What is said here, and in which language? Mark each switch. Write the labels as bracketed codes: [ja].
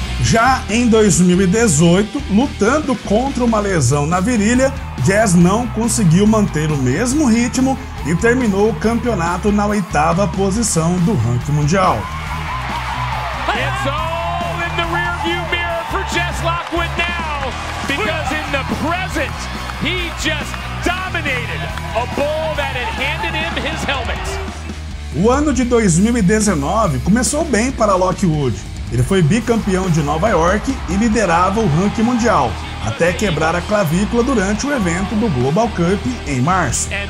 [pt] Já em 2018, lutando contra uma lesão na virilha, Jazz não conseguiu manter o mesmo ritmo e terminou o campeonato na oitava posição do ranking mundial. [en] It's all in the rearview mirror for Jazz Lockwood now, because in the present, he just dominated a bull that had handed him his helmet. [pt] O ano de 2019 começou bem para Lockwood. Ele foi bicampeão de Nova York e liderava o ranking mundial, até quebrar a clavícula durante o evento do Global Cup em março.